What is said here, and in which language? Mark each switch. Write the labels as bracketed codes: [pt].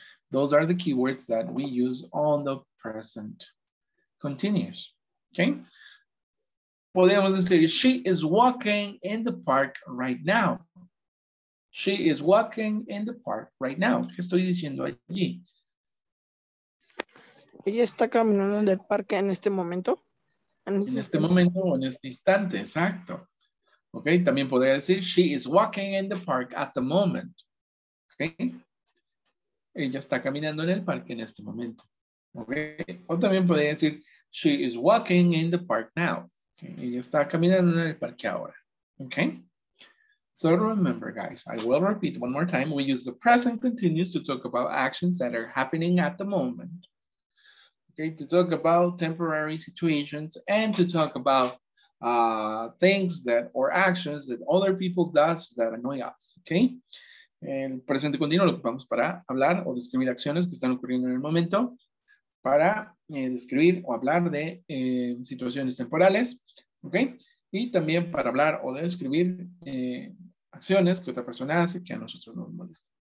[en] Those are the keywords that we use on the present continuous, okay? [es] Podríamos decir, [en] she is walking in the park right now. She is walking in the park right now. [es] ¿Qué estoy diciendo allí? Ella está caminando en el parque en este momento. En este momento o en este instante, exacto. Ok, también podría decir, [en] she is walking in the park at the moment. [es] Ok. Ella está caminando en el parque en este momento. [en] Ok. [es] O también podría decir, [en] she is walking in the park now. Okay. [es] Ella está caminando en el parque ahora. [en] Ok. So remember, guys, I will repeat one more time. We use the present continuous to talk about actions that are happening at the moment. Okay, to talk about temporary situations and to talk about things that or actions that other people does that annoy us. [es] Okay, el presente continuo lo ocupamos para hablar o describir acciones que están ocurriendo en el momento, para describir o hablar de situaciones temporales. Okay, y también para hablar o describir acciones que otra persona hace que a nosotros nos molesta.